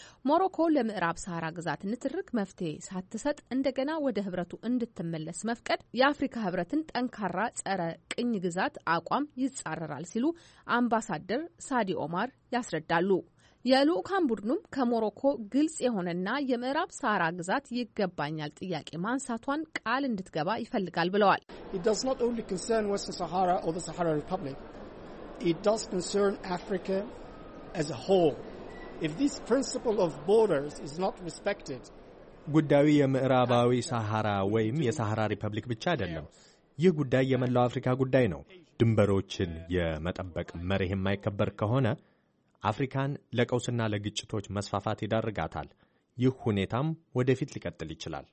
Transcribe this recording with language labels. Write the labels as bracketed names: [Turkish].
[Amharic] ሞሮኮ ለምዕራብ ሳራ ግዛት ንትርክ መፍትሄ ሳትሰጥ እንደገና ወደ ህብረቱ እንድትመለስ መፍቀድ የአፍሪካ ህብረትን ጠንካራ ጸረ ቅኝ ግዛት አቋም ይጻረራል ሲሉ አምባሳደር ሳዲ ኦማር ያስረዳሉ። የልዑካን ቡድኑም ከሞሮኮ ግልጽ የሆነና የምዕራብ ሳራ ግዛት ይገባኛል ጥያቄ ማንሳቷን ቃል እንድትገባ ይፈልጋል ብለዋል። [English] It does not only concern Western Sahara or the Sahara Republic. It does concern Africa as a whole. If this principle of borders is not respected, [Amharic] ጉዳዩ የምዕራባዊ ሳሃራ ወይም የሳሃራ ሪፐብሊክ ብቻ አይደለም። ይህ ጉዳይ የመላው አፍሪካ ጉዳይ ነው። ድንበሮችን የመጠበቅ መርህ የማይከበር ከሆነ አፍሪካን ለቀውስና ለግጭቶች መስፋፋት ይዳርጋታል። ይህ ሁኔታም ወደፊት ሊቀጥል ይችላል።